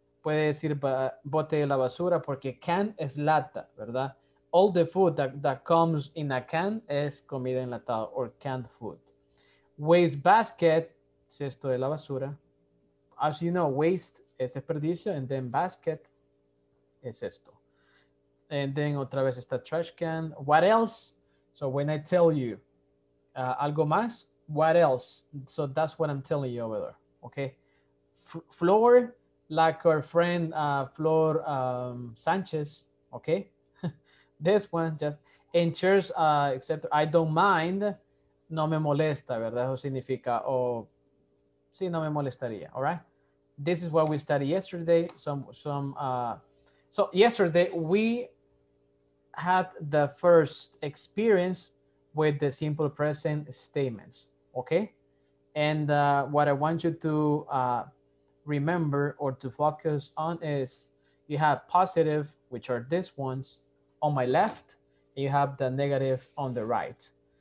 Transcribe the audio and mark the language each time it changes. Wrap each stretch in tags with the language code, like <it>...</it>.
<es>Puede decir bote de la basura porque can es lata, ¿verdad?</es> <en>All the food that comes in a can</en> <es>es comida enlatada</es> <en>or canned food. Waste basket,</en> <es>cesto de la basura.</es> <en>As you know, waste</en> <es>es desperdicio</es> <en>and then basket</en> <es>es esto.</es> <en>And then</en> <es>otra vez está</es> <en>trash can. What else? So when I tell you</en> <es>algo más,</es> <en>what else? So that's what I'm telling you over there, okay? Floor. Like our friend Flor Sanchez, okay? This one, Jeff. In church, except I don't mind,</en> <es>no me molesta,</es> <en>¿verdad? Eso significa, sí, no me molestaría, all right? This is what we studied yesterday. So yesterday we had the first experience with the simple present statements, okay? And what I want you to remember or to focus on is you have positive, which are these ones on my left, and you have the negative on the right.</en>